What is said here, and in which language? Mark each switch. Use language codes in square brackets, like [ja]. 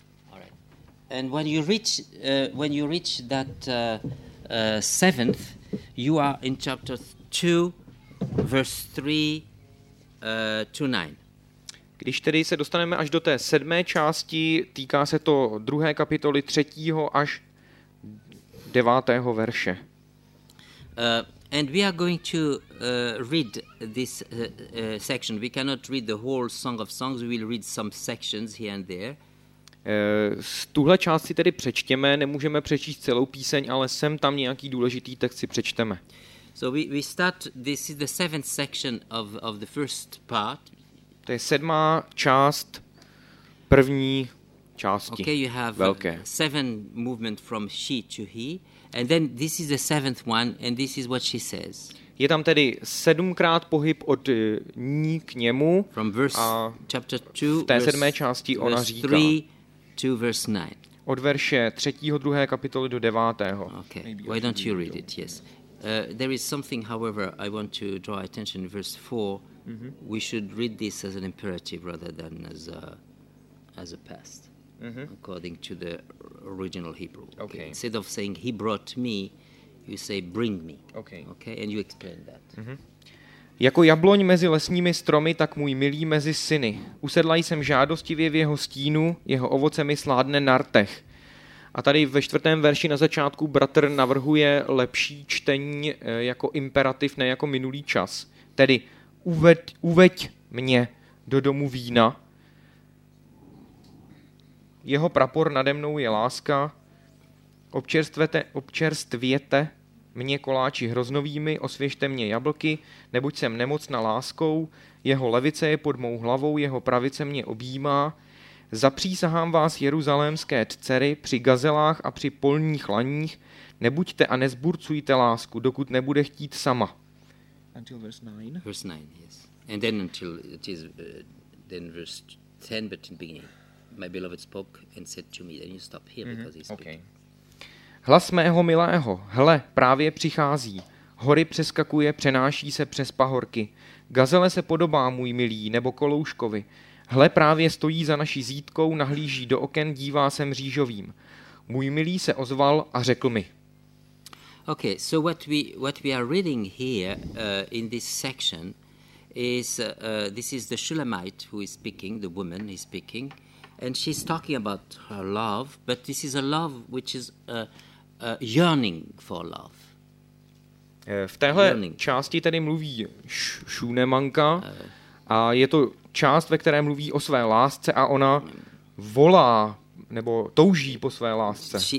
[en] All right. And when you reach that seventh, you are in chapter 2:3-9. [cs] Když tedy se dostaneme až do té sedmé části, týká se to druhé kapitoly 3. až 9. verše. [en] And we are going to read this section. We cannot read the whole Song of Songs, we will read some sections here and there. [cs] Tuhle část si tedy přečtěme, nemůžeme přečíst celou píseň, ale sem tam nějaký důležitý text si přečteme. [en] So we start, this is the seventh section of the first part. [cs] To je sedmá část první části. [en] Okay, you have velké. Seven movement from she to he, and then this is the seventh one, and this is what she says. [cs] Je tam tedy sedmkrát pohyb od ní k němu. [en] From verse chapter 2. [cs] V té sedmé části ona říká. [en] Verse 3-9. [cs] Od verše 3. 2. kapitoly do 9. [en] Okay. Why don't you read it? Yes. There is something, however, I want to draw attention. Verse 4. Mm-hmm. We should read this as an imperative rather than as a past, mm-hmm. according to the original Hebrew. Okay. Instead of saying he brought me, you say bring me. Okay. Okay. And you explain that. Mm-hmm. [cs] Jako jabloň mezi lesními stromy, tak můj milý mezi syny. Usedla jsem žádostivě v jeho stínu, jeho ovoce mi sládne na rtech. A tady ve čtvrtém verši na začátku bratr navrhuje lepší čtení jako imperativ, ne jako minulý čas. Tedy uveď mě do domu vína. Jeho prapor nade mnou je láska. Občerstvěte mě koláči hroznovými, osvěžte mě jablky, neboť jsem nemocná láskou. Jeho levice je pod mou hlavou, jeho pravice mě objímá. Zapřísahám vás, jeruzalémské dcery, při gazelách a při polních laních. Nebuďte a nezburcujte lásku, dokud nebude chtít sama. [en] Until verse 9. Verse 9, yes. And then until it is then verse 10, but in the beginning, my beloved spoke and said to me, then you stop here, mm-hmm. because he's speaking. [cs] Hlas mého milého, hle, právě přichází. Hory přeskakuje, přenáší se přes pahorky. Gazele se podobá můj milý, nebo kolouškovi. Hle právě stojí za naší zítkou, nahlíží do oken, dívá se mřížovým. Můj milý se ozval a řekl mi. [en] Okay, so what we are reading here in this section is this is the Shulamite who is speaking, the woman is speaking, and she's talking about her love, but this is a love which is a yearning for love. [cs] V téhle části tedy mluví Šunemanka a je to část, ve které mluví o své lásce a ona volá nebo touží po své lásce.